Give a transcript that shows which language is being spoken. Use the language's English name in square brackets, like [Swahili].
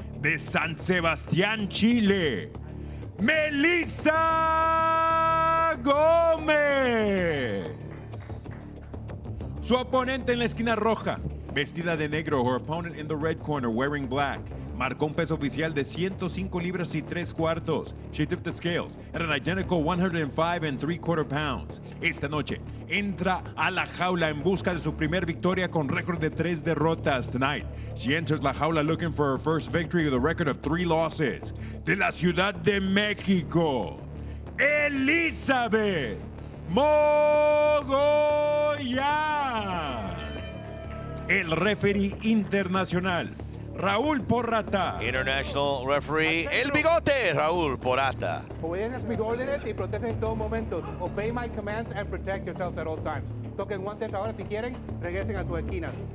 [Spanish] De San Sebastián, Chile, Melissa Gómez. Su oponente en la esquina roja, vestida de negro, [English] her opponent in the red corner, wearing black. [Spanish] Marcó un peso oficial de 105 libras y 3 cuartos. [English] She tipped the scales at an identical 105 and 3 quarter pounds. [Spanish] Esta noche, entra a la jaula en busca de su primer victoria con récord de 3 derrotas. [English] Tonight, she enters [Spanish] la jaula [English] looking for her first victory with a record of 3 losses. [Spanish] De la Ciudad de México, Elizabeth Mogollón. El referee internacional, Raúl Porrata. [English] International referee, [Spanish] el bigote, [English] Raúl Porrata. [Spanish] Obedezcan mis órdenes y protegen en todos momentos. [English] Obey my commands and protect yourselves at all times. [Spanish] Toquen guantes ahora si quieren, regresen a sus esquinas.